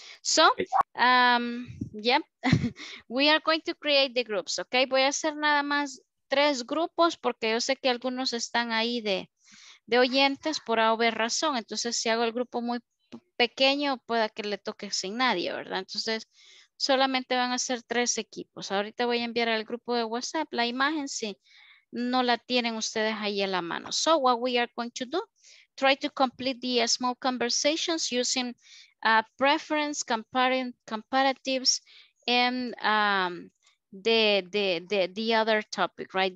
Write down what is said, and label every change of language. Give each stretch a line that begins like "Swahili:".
English: So, we are going to create the groups, okay?
Spanish: Voy a hacer nada más 3 grupos porque yo sé que algunos están ahí de oyentes por haber razón. Entonces, si hago el grupo muy pequeño, pueda que le toque sin nadie, ¿verdad? Entonces, solamente van a ser 3 equipos. Ahorita voy a enviar al grupo de WhatsApp la imagen si no la tienen ustedes ahí en la mano.
English: So, what we are going to do, try to complete the small conversations using preference, comparatives, and the other topic, right?